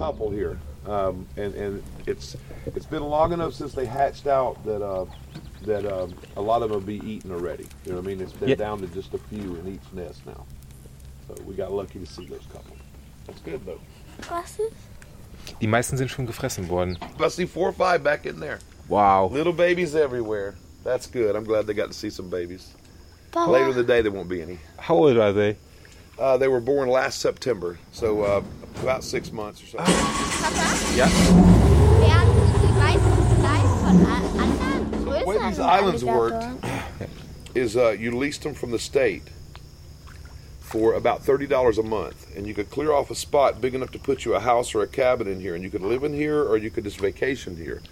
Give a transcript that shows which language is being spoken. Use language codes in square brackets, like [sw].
[en] Here and it's been long enough since they hatched out that a lot of them will be eaten already. You know what I mean? They're down to just a few in each nest now. So we got lucky to see those couple. That's good though. [de] Die meisten sind schon gefressen worden. [en] I see 4 or 5 back in there. Wow. Little babies everywhere. That's good. I'm glad they got to see some babies. But later in the day, there won't be any. How old are they? They were born last September, so about 6 months or so. Papa? [de] Ja? [en] So the way these islands worked is you leased them from the state for about $30 a month, and you could clear off a spot big enough to put you a house or a cabin in here, and you could live in here or you could just vacation here.